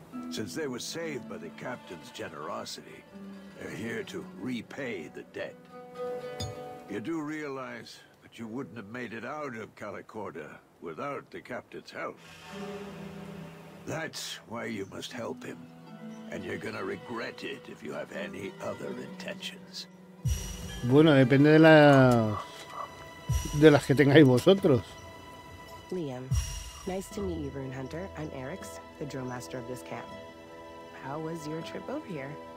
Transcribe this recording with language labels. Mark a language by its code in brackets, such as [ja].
[en] Since they were saved by the captain's generosity, they're here to repay the debt. You do realize that you wouldn't have made it out of Calicorda without the captain's help. That's why you must help him. And you're gonna regret it if you have any other intentions. [es] Bueno, depende de las que tengáis vosotros. [en] Liam, nice to meet you, Rune Hunter. I'm Eryx, the drill master of this camp. How was your trip over here?